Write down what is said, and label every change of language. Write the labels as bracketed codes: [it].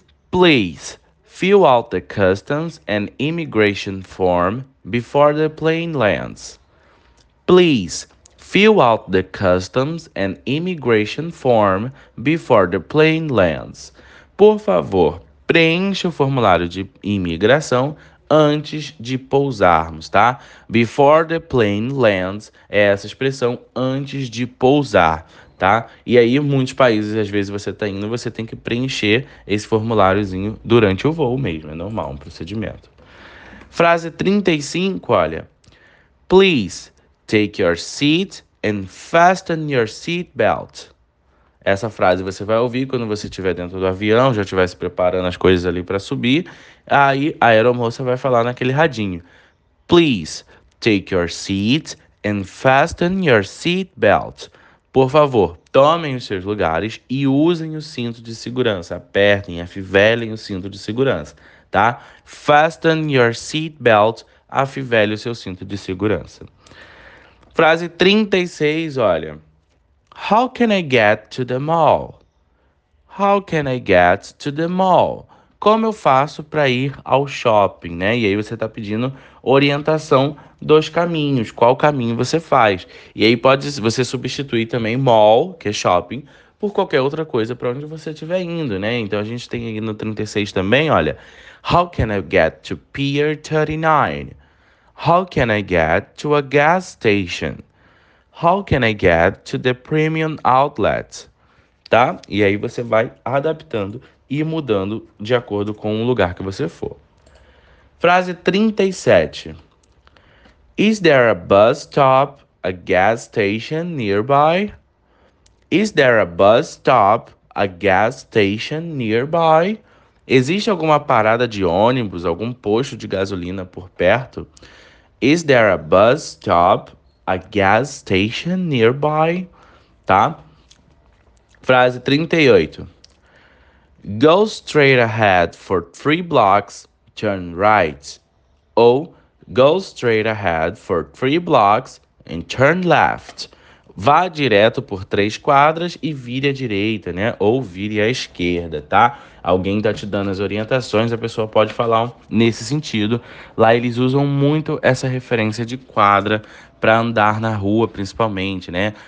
[en] Please, fill out the customs and immigration form before the plane lands. Please, fill out the customs and immigration form before the plane lands. [pt] Por favor, preencha o formulário de imigração antes de pousarmos, tá? [en] Before the plane lands [pt] é essa expressão, antes de pousar, tá? E aí, muitos países, às vezes você tá indo, você tem que preencher esse formuláriozinho durante o voo mesmo. É normal, um procedimento. Frase 35, olha. [en] Please, take your seat and fasten your seat belt. [pt] Essa frase você vai ouvir quando você estiver dentro do avião, já estiver se preparando as coisas ali para subir. Aí a aeromoça vai falar naquele radinho. [en] Please take your seat and fasten your seat belt. [pt] Por favor, tomem os seus lugares e usem o cinto de segurança. Apertem, afivelem o cinto de segurança, tá? [en] Fasten your seat belt, [pt] afivele o seu cinto de segurança. Frase 36, olha. [en] How can I get to the mall? How can I get to the mall? [pt] Como eu faço para ir ao shopping, né? E aí você tá pedindo orientação dos caminhos. Qual caminho você faz? E aí pode você substituir também mall, que é shopping, por qualquer outra coisa para onde você estiver indo, né? Então a gente tem aí no 36 também, olha. [en] How can I get to Pier 39? How can I get to a gas station? How can I get to the premium outlet? [pt] Tá? E aí você vai adaptando e mudando de acordo com o lugar que você for. Frase 37. [en] Is there a bus stop, a gas station nearby? Is there a bus stop, a gas station nearby? [pt] Existe alguma parada de ônibus, algum posto de gasolina por perto? [en] Is there a bus stop, a gas station nearby? Tá? [pt] Frase 38. [en] Go straight ahead for 3 blocks, turn right. Ou go straight ahead for 3 blocks and turn left. [pt] Vá direto por 3 quadras e vire à direita, né? Ou vire à esquerda, tá? Alguém tá te dando as orientações, a pessoa pode falar nesse sentido. Lá eles usam muito essa referência de quadra para andar na rua, principalmente, né?